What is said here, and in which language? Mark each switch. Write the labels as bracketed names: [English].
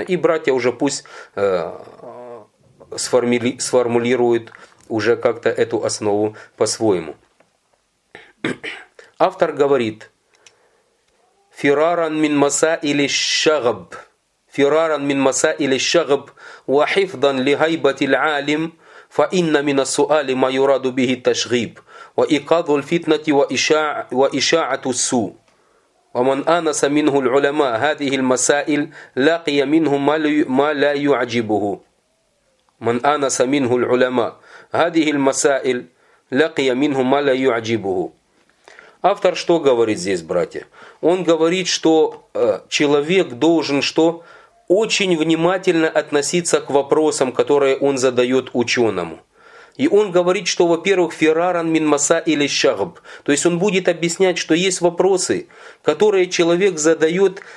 [Russian] И братья уже пусть сформулируют уже как-то эту основу по-своему. Автор говорит [Arabic] «Фираран мин маса или шагаб». Фираран мин маса или шагаб. وحفظاً لهيبة العالم فإن من السؤال ما يراد به التشغيب وإيقاظ الفتنة وإشاعة السوء ومن آنس منه العلماء هذه المسائل لقي منه ما لا يعجبه من آنس منه العلماء هذه المسائل لقي منه ما لا يعجبه. [Russian] Автор что говорит здесь, братья? Он говорит, что человек должен что? Очень внимательно относиться к вопросам, которые он задает ученому. И он говорит, что, во-первых, [Arabic] «фираран мин маса или шагб». [Russian] То есть он будет объяснять, что есть вопросы, которые человек задает.